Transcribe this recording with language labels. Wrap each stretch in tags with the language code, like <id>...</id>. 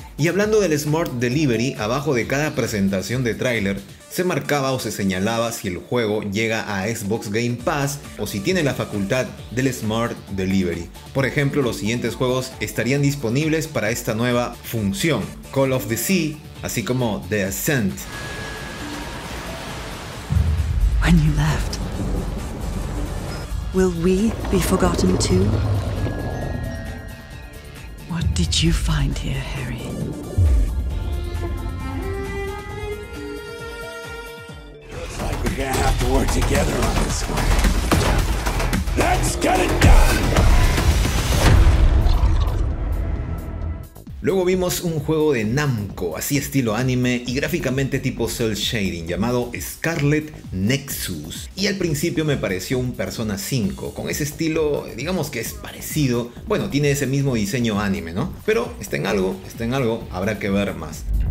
<es>Y hablando del Smart Delivery, abajo de cada presentación de tráiler se marcaba o se señalaba si el juego llega a Xbox Game Pass o si tiene la facultad del Smart Delivery. Por ejemplo, los siguientes juegos estarían disponibles para esta nueva función: Call of the Sea, así como The Ascent.</es> <en>When you left, will we be forgotten too? What did you find here, Harry? We're gonna have to work together on this one. Let's get it done!</en> <es>Luego vimos un juego de Namco, así estilo anime y gráficamente tipo cel shading, llamado Scarlet Nexus. Y al principio me pareció un Persona 5, con ese estilo, digamos que es parecido. Bueno, tiene ese mismo diseño anime, ¿no? Pero está en algo, habrá que ver más.</es>